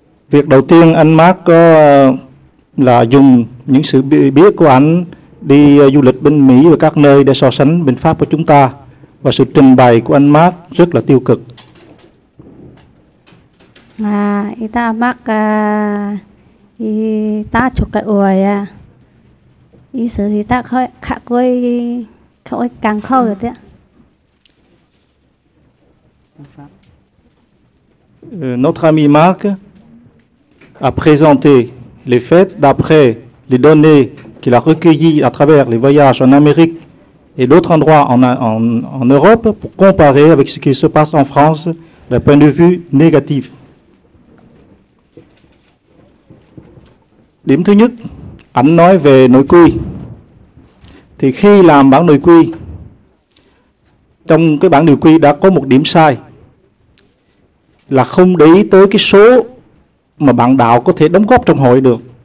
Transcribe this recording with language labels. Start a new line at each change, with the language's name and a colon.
Vietnamese: Việc đầu tiên anh Mark có là dùng những sự biết của anh đi du lịch bên Mỹ và các nơi để so sánh bên Pháp của chúng ta. Và sự trình bày của anh Mark rất là tiêu cực.
French: Notre ami Mark a présenté les faits d'après les données qu'il a recueillies à travers les voyages en Amérique et d'autres endroits en Europe pour comparer avec ce qui se passe en France d'un point de vue négatif.
Vietnamese: Điểm thứ nhất, anh nói về nội quy. Thì khi làm bản nội quy, trong cái bản nội quy đã có một điểm sai là không để ý tới cái số mà bạn đạo có thể đóng góp trong hội được.